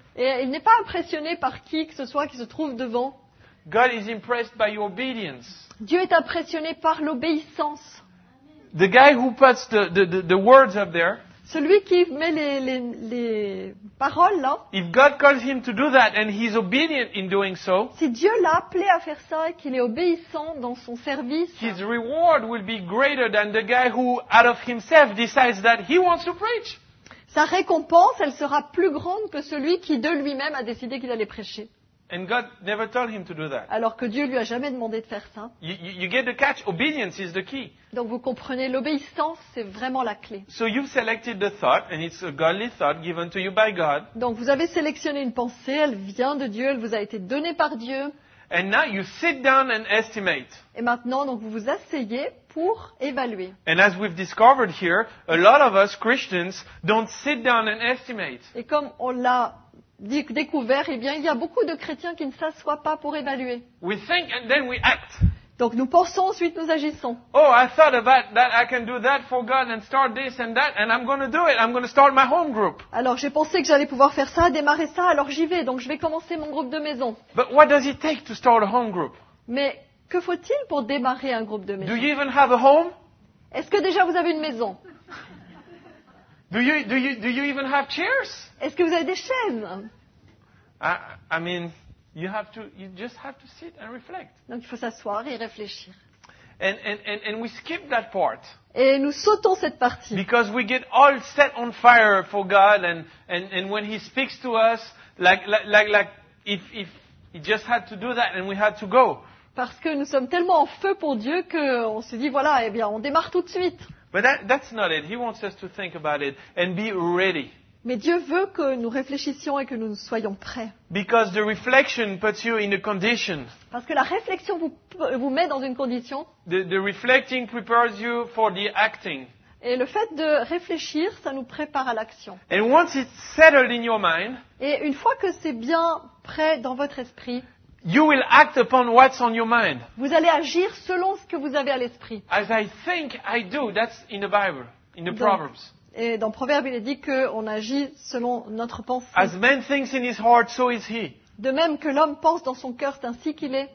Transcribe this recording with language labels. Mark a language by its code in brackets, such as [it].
[fr] Et il n'est pas impressionné par qui que ce soit qui se trouve devant. [en] God is impressed by your obedience. [fr] Dieu est impressionné par l'obéissance. [en] The guy who puts the words up there. [fr] Celui qui met les paroles là. [en] If God calls him to do that and he's obedient in doing so. [fr] Si Dieu l'a appelé à faire ça et qu'il est obéissant dans son service. [en] His reward will be greater than the guy who out of himself decides that he wants to preach. [fr] Sa récompense, elle sera plus grande que celui qui de lui-même a décidé qu'il allait prêcher. [en] And God never told him to do that. [fr] Alors que Dieu lui a jamais demandé de faire ça. [en] You get the catch. Obedience is the key. [fr] Donc vous comprenez, l'obéissance c'est vraiment la clé. [en] So you've selected the thought, and it's a godly thought given to you by God. [fr] Donc vous avez sélectionné une pensée, elle vient de Dieu, elle vous a été donnée par Dieu. [en] And now you sit down and estimate. [fr] Et maintenant donc vous vous asseyez pour évaluer. [en] And as we've discovered here, a lot of us Christians don't sit down and estimate. [fr] Et comme on l'a découvert, eh bien, il y a beaucoup de chrétiens qui ne s'assoient pas pour évaluer. [en] We think and then we act. [fr] Donc nous pensons, ensuite nous agissons. [en] Oh, I thought about that. I can do that for God and start this and that, and I'm going to do it. I'm going to start my home group. [fr] Alors j'ai pensé que j'allais pouvoir faire ça, démarrer ça. Alors j'y vais. Donc je vais commencer mon groupe de maison. [en] But what does it take to start a home group? [fr] Mais que faut-il pour démarrer un groupe de maison? [en] Do you even have a home? [fr] Est-ce que déjà vous avez une maison? [en] Do you even have chairs? [fr] Est-ce que vous avez des chaises? [en] I mean, you just have to sit and reflect. [fr] Donc il faut s'asseoir et réfléchir. [en] And we skip that part. [fr] Et nous sautons cette partie. [en] Because we get all set on fire for God and when He speaks to us like if He just had to do that and we had to go. [fr] Parce que nous sommes tellement en feu pour Dieu que on se dit voilà eh bien on démarre tout de suite. [en] But that's not it. He wants us to think about it and be ready. [fr] Mais Dieu veut que nous réfléchissions et que nous soyons prêts. [en] Because the reflection puts you in a condition. [fr] Parce que la réflexion vous met dans une condition. [en] The reflecting prepares you for the acting. [fr] Et le fait de réfléchir, ça nous prépare à l'action. [en] And once it's settled in your mind, [fr] et une fois que c'est bien prêt dans votre esprit, [en] you will act upon what's on your mind. [fr] Vous allez agir selon ce que vous avez à l'esprit. [en] As I think, I do. That's in the Bible, in the Proverbs. [fr] Et dans Proverbes, il est dit qu'on agit selon notre pensée. [en] As man thinks in his heart, so is he. [fr] De même que l'homme pense dans son cœur, c'est ainsi qu'il est.